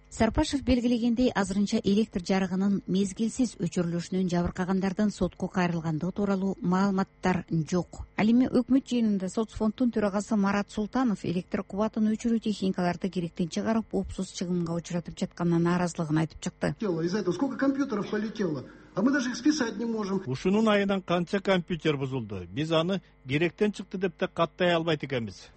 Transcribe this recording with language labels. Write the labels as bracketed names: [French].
[Kyrgyz] Сарпашев белгилегендей, азырынча электр жарыгынын мезгилсиз өчүрүлүшүнөн жабыркагандардын сотко кайрылгандыгы тууралуу маалыматтар жок. Ал эми өкмөт жыйынында соцфонддун төрагасы Марат Султанов электр кубатын өчүрүү техникаларды керектен чыгарып упсуз чыгымга учуратып жатканына нааразылыгын айтып чыкты. [Russian] Сколько компьютеров полетело? А мы даже их списать не можем. [Kyrgyz] Ушунун айынан канча компьютер бузулду? Биз аны керектен чыкты деп да каттай албайт экенбиз.